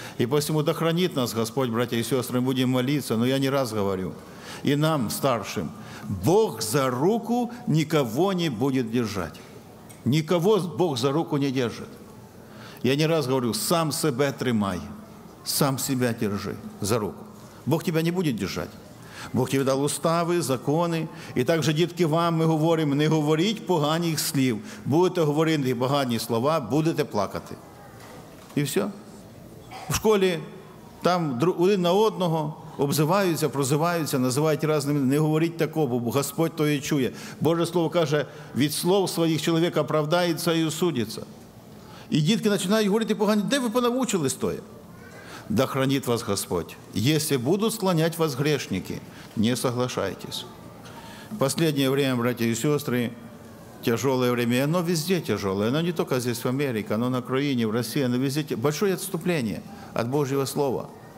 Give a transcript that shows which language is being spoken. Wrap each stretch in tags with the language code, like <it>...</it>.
<ru>И посему да хранит нас Господь, братья и сестры, мы будем молиться. Но я не раз говорю, и нам, старшим, Бог за руку никого не будет держать. Никого Бог за руку не держит. Я не раз говорю, сам себя тримай, сам себя держи за руку. Бог тебя не будет держать. Бог тебе дал уставы, законы. И также, дітки, вам мы говорим, не говорить</ru> <uk>поганих слів. Будете говорити погані слова, будете плакати. І все. В школі там один на одного обзиваються, прозиваються, називають різними. Не говоріть такого, бо Господь тоє чує. Боже Слово каже, від слов своїх чоловік оправдається і судиться. І дітки починають говорити погані. Де ви понавучились тоє?</uk> <ru>Да хранит вас Господь. Если будут склонять вас грешники, не соглашайтесь. Последнее время, братья и сестры, тяжелое время. Оно везде тяжелое. Оно не только здесь, в Америке, оно на Украине, в России. Оно везде. Большое отступление от Божьего Слова.</ru>